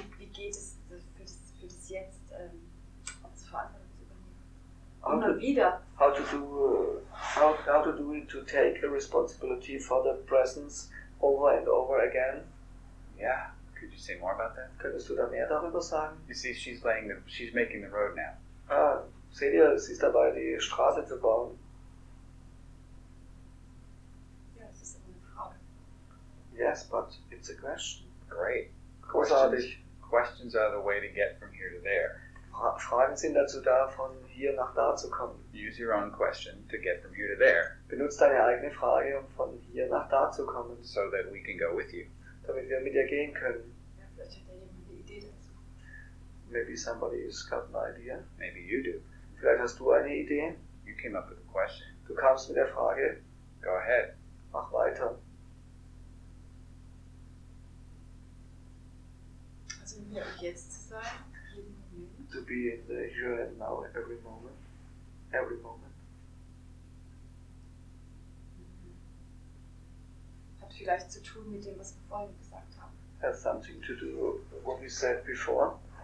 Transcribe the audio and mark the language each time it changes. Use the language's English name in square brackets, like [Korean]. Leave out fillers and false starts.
[German] Wie geht es für das jetzt, zu verantworten zu übernehmen? Und wieder. [English] How to do it to take a responsibility for the presence over and over again? Yeah. Could you say more about that? [German] Könntest du da mehr darüber sagen? [English] You see, she's making the road now. [German] Seht ihr, sie ist dabei, die Straße zu bauen. Ja, es ist eine Frage. [English] Yes, but it's a question. Great. [German] Großartig. [English] Questions are the way to get from here to there. [German] Fragen sind dazu da, von hier nach da zu kommen. [English] Use your own question to get from here to there. [German] Benutz deine eigene Frage, um von hier nach da zu kommen. [English] So that we can go with you. [German] Damit wir mit dir gehen können. Ja, vielleicht hat jemand eine Idee dazu. [English] Maybe somebody has got an idea. Maybe you do. [German] Vielleicht hast du eine Idee. [English] You came up with a question. [German] Du kamst mit der Frage. [English] Go ahead. [German] Mach weiter. Also in hier und jetzt zu sein, jeden Moment. [English] To be in the here and now, every moment. Every moment. [German] Hat vielleicht zu tun mit dem, was wir vorhin gesagt haben. [English] Has something to do with what we said before.